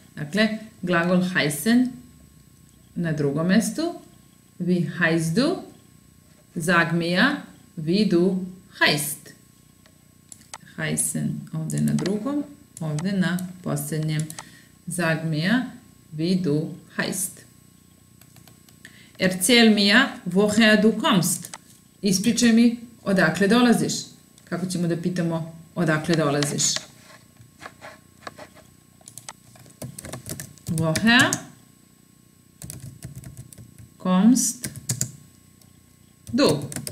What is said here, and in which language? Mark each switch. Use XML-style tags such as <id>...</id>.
<bs>Dakle, glagol heißen na drugom mjestu.</bs> <de>Wie heißt du? Sag mir, wie du heißt.</de> <bs>Heißen ovdje na drugom, ovdje na posljednjem.</bs> <de>Sag mir, wie du heißt. Erzähl mir, woher du kommst.</de> <bs>Ispričaj mi, odakle dolaziš. Kako ćemo da pitamo, odakle dolaziš?</bs> <de>Woher kommst du?</de>